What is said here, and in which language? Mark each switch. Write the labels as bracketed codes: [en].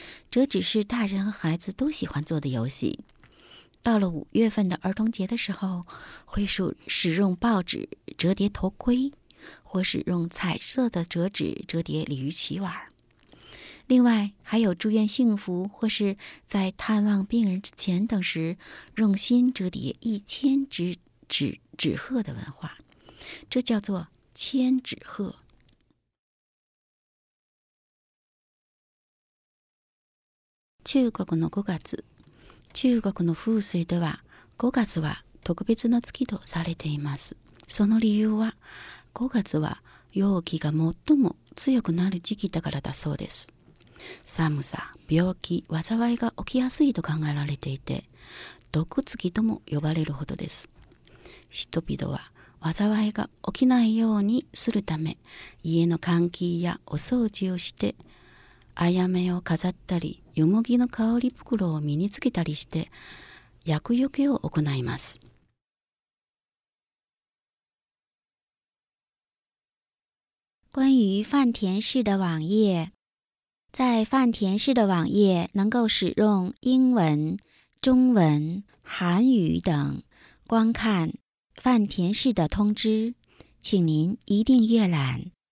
[zh] 折纸是大人和孩子都喜欢做的游戏，到了五月份的儿童节的时候，会使用报纸折叠头盔，或使用彩色的折纸折叠鲤鱼旗碗。另外还有祝愿幸福，或是在探望病人之前等时，用心折叠1000只纸鹤的文化，这叫做千纸鹤。 [ja] 中国の5月、中国の風水では5月は特別な月とされています。その理由は、5月は陽気が最も強くなる時期だからだそうです。寒さ、病気、災いが起きやすいと考えられていて、毒月とも呼ばれるほどです。人々は災いが起きないようにするため、家の換気やお掃除をして、あやめを飾ったり、よもぎの香り袋を身につけたりして、厄除けを行います。 [zh] 关于饭田市的网页，在饭田市的网页能够使用英文、中文、韩语等观看饭田市的通知，请您一定阅览。